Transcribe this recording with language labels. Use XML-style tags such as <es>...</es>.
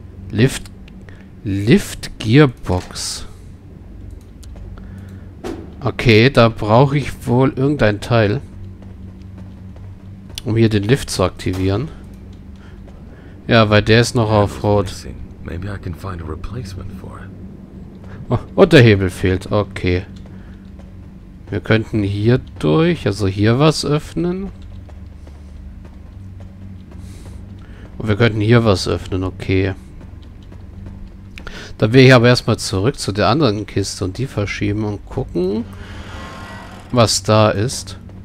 <en>Lift Gearbox.</en> <de>Okay, da brauche ich wohl irgendein Teil, um hier den Lift zu aktivieren. Ja, weil der ist noch auf Rot.</de> <en>Maybe I can find a replacement for it.</en> <de>Oh, und der Hebel fehlt. Okay. Wir könnten hier durch, also hier was öffnen. Und wir könnten hier was öffnen, okay. Dann will ich aber erstmal zurück zu der anderen Kiste und die verschieben und gucken, was da ist.</de>